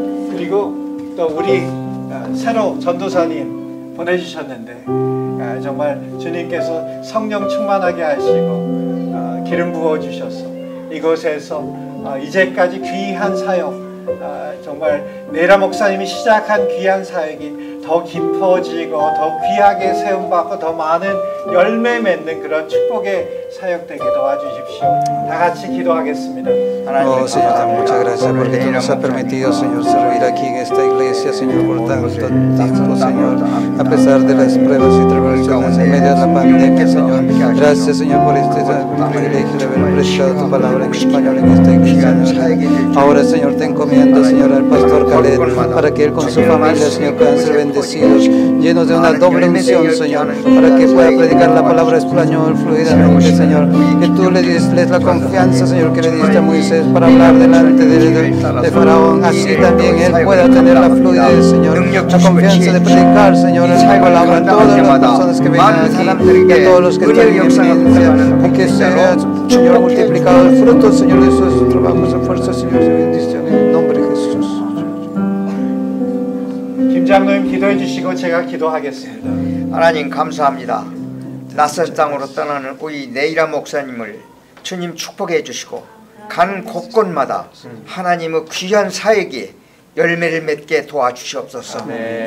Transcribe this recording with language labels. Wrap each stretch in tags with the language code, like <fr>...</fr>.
<ko>그리고 또 우리 새로 전도사님 보내주셨는데 정말 주님께서 성령 충만하게 하시고 기름 부어주셔서 이곳에서 이제까지 귀한 사역 정말 네라 목사님이 시작한 귀한 사역이 더 깊어지고 더 귀하게 세움받고 더 많은 열매 맺는 그런 축복의 사역되게 도와주십시오. 다 같이 기도하겠습니다.</ko> <es>하나님 oh, Señor, damos muchas gracias porque tú nos has permitido, Señor, servir aquí en esta iglesia, Señor, por tanto tiempo, Señor, a pesar de las pruebas y tribulaciones en medio de la pandemia, Señor. Gracias, Señor, por este privilegio de haber prestado tu palabra en español en esta iglesia. Ahora, Señor, te encomiendo, Señor, al pastor Caleb, para que él con su familia, Señor, puedan ser bendecidos, llenos de una doble unción, Señor, para que pueda predicar la palabra español fluidamente, Señor. Que tú le des la confianza, Señor, que le diste a Moisés para hablar delante de Faraón, así también él pueda tener la fluidez, Señor, la confianza de predicar, Señor, la palabra a todas las personas que vengan aquí, a todos los que están en evidencia, y que sea, Señor, multiplicado el fruto, Señor, de sus trabajos en fuerza, Señor, de bendición, en nombre de Jesús.</es> <ko>김장로님 기도해 주시고 제가 기도하겠습니다. 하나님 감사합니다. 낯선 땅으로 떠나는 우리 네이라 목사님을 주님 축복해 주시고 가는 곳곳마다 하나님의 귀한 사역이 열매를 맺게 도와주시옵소서. 아멘.</ko>